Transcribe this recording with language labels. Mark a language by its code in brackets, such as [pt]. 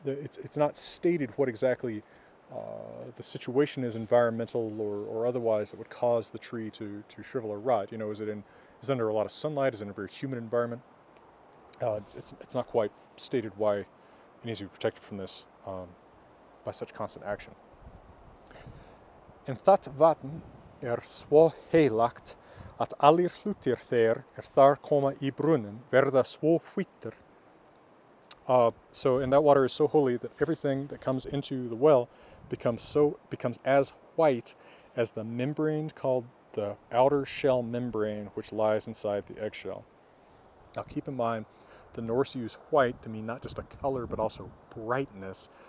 [en] It's not stated what exactly the situation is, environmental or otherwise, that would cause the tree to shrivel or rot. You know, is it under a lot of sunlight? Is it in a very humid environment? It's not quite stated why it needs to be protected from this by such constant action. [non] En that vatn svo heilagt at allir hlutir þeir þar koma í brunnin verða svo hvítir. [en] And that water is so holy that everything that comes into the well becomes as white as the membrane called the outer shell membrane, which lies inside the eggshell. Now keep in mind, the Norse use white to mean not just a color, but also brightness.